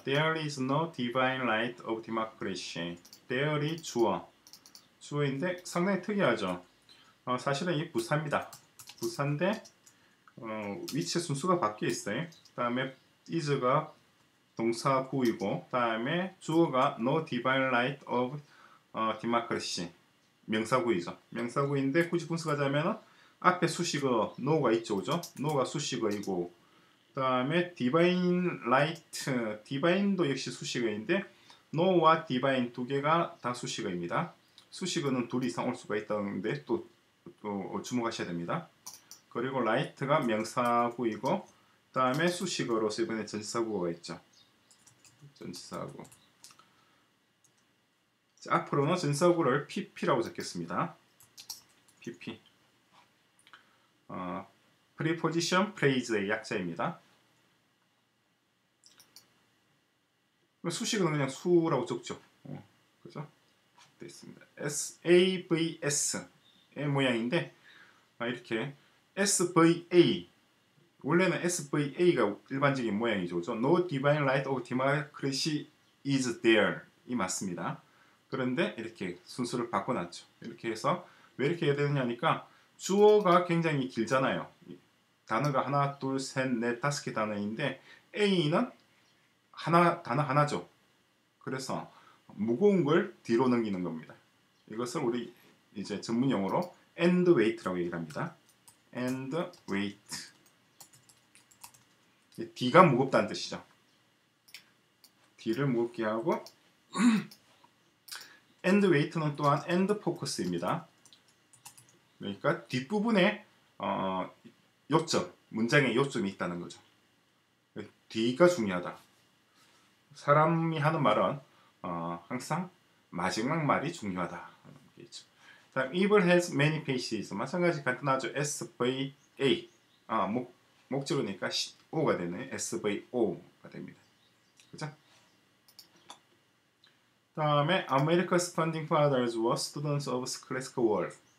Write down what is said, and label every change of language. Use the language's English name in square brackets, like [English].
[English] There is no divine right of democracy. [Korean] There이 주어. 주어인데 상당히 특이하죠. 사실은 이 부사입니다. 부사인데 위치 순수가 바뀌어 있어요. 그다음에 is가 동사구이고, 그다음에 주어가 no divine right of democracy. 명사구이죠. 명사구인데 굳이 분석하자면 앞에 수식어 no가 있죠, 그죠? no가 수식어이고, 그다음에 divine right, divine도 역시 수식어인데 no와 divine 두 개가 다 수식어입니다. 수식어는 둘 이상 올 수가 있다는데 또 주목하셔야 됩니다. 그리고 right가 명사구이고, 그다음에 수식어로서 이번에 전치사구가 있죠. 전치사구. 자, 앞으로는 전치사구를 PP라고 적겠습니다. PP. Preposition phrase의 약자입니다. 수식어는 그냥 수라고 적죠. 그죠? 됐습니다. SAVS의 모양인데, 이렇게 SVA, 원래는 SVA가 일반적인 모양이죠. 그죠? [English] No divine right of democracy is there. [Korean] 이 맞습니다. 그런데 이렇게 순서를 바꿔놨죠. 이렇게 해서 왜 이렇게 해야 되느냐 하니까 주어가 굉장히 길잖아요. 단어가 하나, 둘, 셋, 넷, 다섯 개 단어인데 A는 하나, 단어 하나죠. 그래서 무거운 걸 뒤로 넘기는 겁니다. 이것을 우리 이제 전문 용어로 end weight라고 얘기를 합니다. end weight. D가 무겁다는 뜻이죠. D를 무겁게 하고 end weight는 또한 end focus입니다. 그러니까 뒷부분에 요점, 문장의 요점이 있다는 거죠. D가 중요하다. 사람이 하는 말은 항상 마지막 말이 중요하다. [English] 다음, evil has many faces. [Korean] 마찬가지 간단하죠. SVA. 목적으니까 O가 되네. SVO가 됩니다. 그죠? [English] 다음에 America's founding fathers were students of classical world.